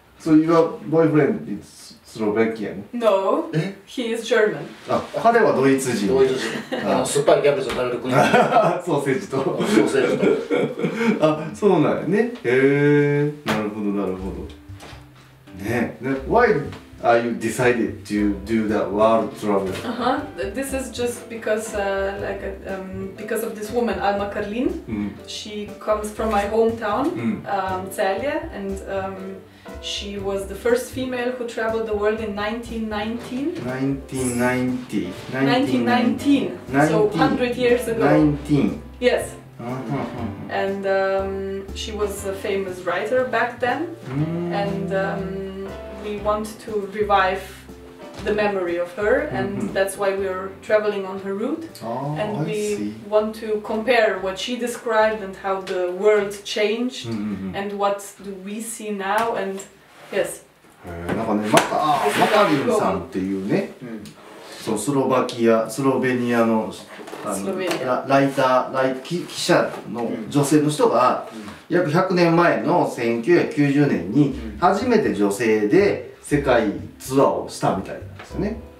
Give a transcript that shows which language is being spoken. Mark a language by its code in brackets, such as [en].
[en] So your boyfriend is Slovakian? No. え？ He is German. [ja] あ、彼はドイツ人。ドイツ人。酸っぱいキャベツを食べる国。ソーセージと。ソーセージと。あ、そうなんやね。へえ、なるほど、なるほど。 [en] ね、Why are you decided to do that world travel? Uh-huh. This is just because of this woman, Alma Karlin. She comes from my hometown, Celje, and she was the first female who traveled the world in 1919. Yes. And she was a famous writer back then. And we want to revive the memory of her, and that's why we are traveling on her route. Oh, and we I see. Want to compare what she described and how the world changed, and what do we see now, and yes. [ja] なんかね、マカリンさんっていうね、そう、スロベニアの、ライター、記者の女性の人が、約100年前の1990年に、初めて女性で、世界ツアーをしたみたいなんですよね。